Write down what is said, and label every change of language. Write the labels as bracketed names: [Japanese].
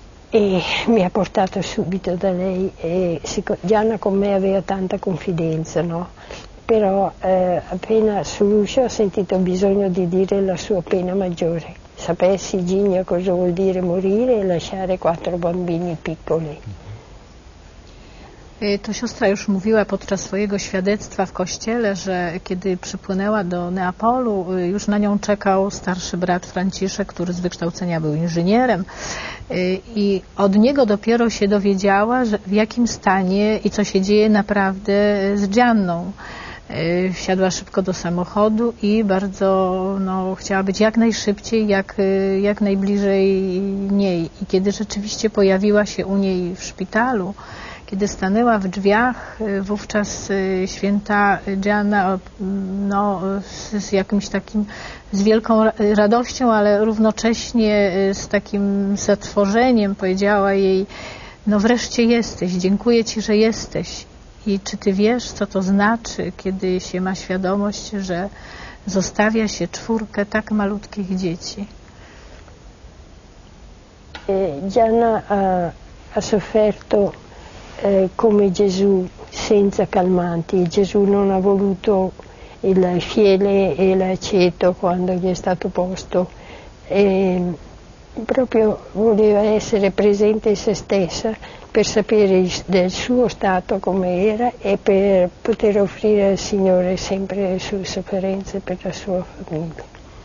[Italian] E mi ha portato subito da lei. Gianna con me aveva tanta confidenza, no? Però appena sull'uscio ho sentito bisogno di dire la sua pena maggiore. Sapessi, Gigna, cosa vuol dire morire e lasciare quattro bambini piccoli. [Polish] To siostra już mówiła podczas swojego świadectwa w kościele, że kiedy przypłynęła do Neapolu, już na nią czekał starszy brat Franciszek, który z wykształcenia był inżynierem. I od niego dopiero się dowiedziała, że w jakim stanie i co się dzieje naprawdę z Gianną. Wsiadła szybko do samochodu i bardzo no, chciała być jak najszybciej, jak najbliżej niej. I kiedy rzeczywiście pojawiła się u niej w szpitalu, kiedy stanęła w drzwiach, wówczas święta Gianna no, z jakimś takim, z wielką radością, ale równocześnie z takim zatworzeniem powiedziała jej: no wreszcie jesteś, dziękuję ci, że jesteś. I czy ty wiesz, co to znaczy, kiedy się ma świadomość, że zostawia się czwórkę tak malutkich dzieci? [Italian] Gianna ha sofferto come Gesù, senza calmanti. Gesù non ha voluto il fiele e l'aceto quando gli è stato posto, e proprio voleva essere presente in se stessa per sapere del suo stato come era e per poter offrire al Signore sempre le sue sofferenze per la sua famiglia.